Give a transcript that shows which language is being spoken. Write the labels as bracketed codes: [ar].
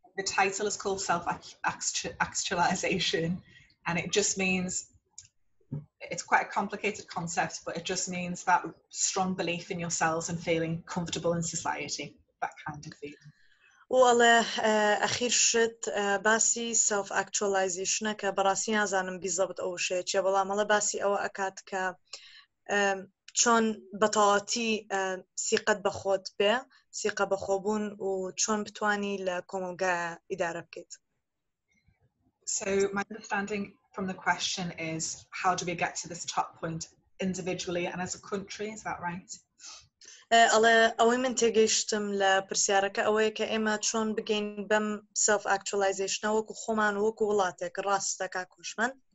[en] The title is called self-actualization, and it just means, it's quite a complicated concept, but it just means that strong belief in yourselves and feeling comfortable in society, that kind of feeling. [ckb] وەڵێ ئەخیر شت باسی سەلف ئەکچوەلایزیشنە کە بەڕاستی نازانم بیزەبت ئەو شێت چیە بەڵام هەڵە باسی ئەوە ئەکات کە چۆن بەتەواوەتی سیقەت بە خۆت بێ سیقە بە خۆ بوون و چۆن بتوانی لە کۆمەڵگایە ئیدارە بکەیت. [en] So my understanding from the question is how do we get to this top point individually and as a country, is that right? [ckb] ئەوەی من تێگەیشتم لە پرسیارەکە ئەوەیە کە ئێمە چۆن بگەین بەم سەلف ئەکچوەلایزیشنە وەکو خۆمان وەکو وڵاتێک ڕاستە کاکوشمەن.